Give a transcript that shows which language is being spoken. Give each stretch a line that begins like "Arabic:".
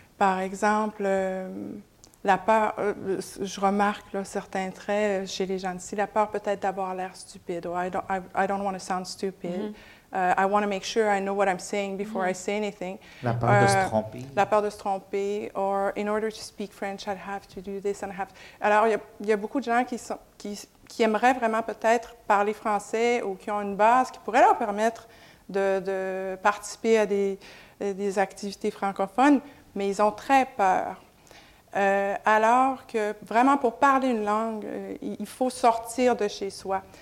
French: Par exemple, la peur, je remarque là, certains traits chez les gens d'ici, la peur peut-être d'avoir l'air stupide, ou
English: I don't want to sound stupid,
French: mm-hmm.
English: I want to make sure I know what I'm saying before I say anything.
French: La peur de se tromper. La peur de se tromper,
English: or in order to speak French, I'd have to do this and I have.
French: Alors, il y a beaucoup de gens qui aimeraient vraiment peut-être parler français ou qui ont une base qui pourrait leur permettre de participer à des activités francophones, mais ils ont très peur. Alors que vraiment pour parler une langue, il faut sortir de chez soi.